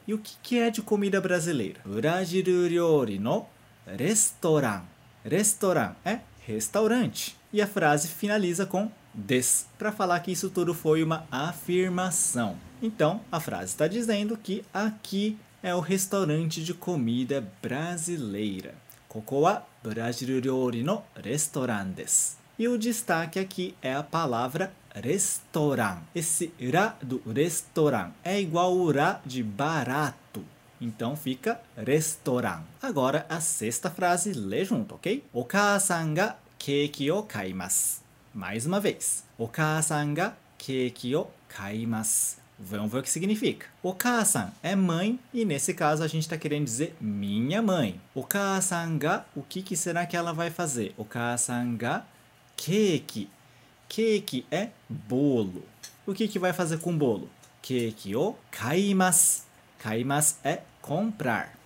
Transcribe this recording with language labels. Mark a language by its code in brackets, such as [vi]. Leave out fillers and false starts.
[pt] E o que é de comida brasileira? [ja] Brasil ryori no restaurant. [pt] Restaurant é restaurante. E a frase finaliza com des, para falar que isso tudo foi uma afirmação. Então, a frase está dizendo que aqui é o restaurante de comida brasileira. [ja] ここはブラジル料理のレストランです。 [pt] E o destaque aqui é a palavra restaurant. Esse ra do restaurant é igual o ra de barato. Então fica restaurant. Agora a sexta frase, lê junto, ok? [ja] お母さんがケーキを買います。 [pt] Mais uma vez. [ja] お母さんがケーキを買います。 [pt] Vamos ver o que significa. Okaasan é mãe e nesse caso a gente está querendo dizer minha mãe. Okaasan ga, o que, que será que ela vai fazer? [ja] Okaasan ga keiki. [pt] Keiki é bolo. O que, que vai fazer com bolo? [ja] Keiki o kaimasu. [pt] Kaimasu é comprar.